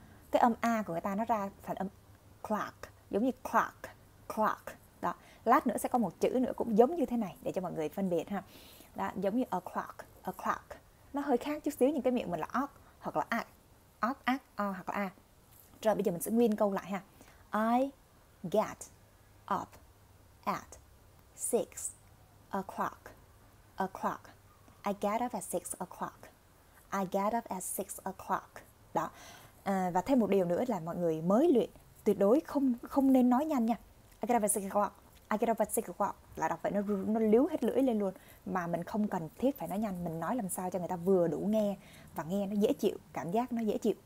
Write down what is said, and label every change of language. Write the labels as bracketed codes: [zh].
[vi] Cái âm a của người ta nó ra thành âm clock, giống như clock, clock. Đó, lát nữa sẽ có một chữ nữa cũng giống như thế này để cho mọi người phân biệt ha. Đó, giống như a clock, a clock. Nó hơi khác chút xíu nhưng cái miệng mình là ok hoặc là a, ok, ak, o hoặc là a. Rồi bây giờ mình sẽ nguyên câu lại ha. [en] I get up at 6 o'clock, o'clock. I get up at 6 o'clock. I get up at 6 o'clock. Đó. [vi] À, và thêm một điều nữa là mọi người mới luyện tuyệt đối không không nên nói nhanh nha. [en] I get up at 6 o'clock. [vi] I get up at 6 o'clock. Là đọc vậy nó líu hết lưỡi lên luôn. Mà mình không cần thiết phải nói nhanh. Mình nói làm sao cho người ta vừa đủ nghe và nghe nó dễ chịu, cảm giác nó dễ chịu.